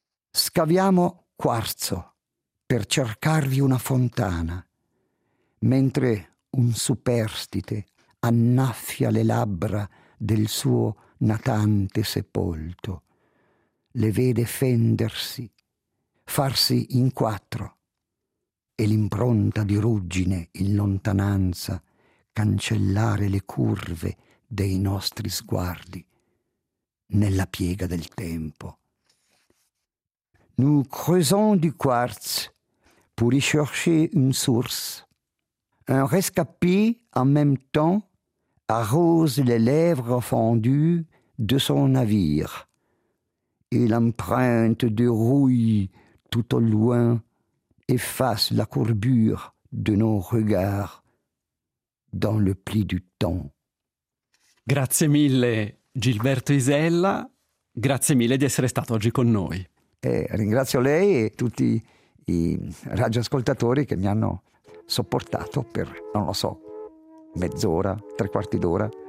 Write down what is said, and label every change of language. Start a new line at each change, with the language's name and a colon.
Italian: Scaviamo quarzo per cercarvi una fontana, mentre un superstite annaffia le labbra del suo natante sepolto, le vede fendersi, farsi in quattro, e l'impronta di ruggine in lontananza cancellare le curve dei nostri sguardi nella piega del tempo.
French: Nous creusons du quartz pour y chercher une source. Un rescapé en même temps arrose les lèvres fendues de son navire et l'empreinte de rouille tout au loin efface la courbure de nos regards dans le pli du temps.
Italian: Grazie mille Gilberto Isella, grazie mille di essere stato oggi con noi. Ringrazio lei e tutti i radioascoltatori che mi hanno sopportato per, non lo so, mezz'ora, tre quarti d'ora.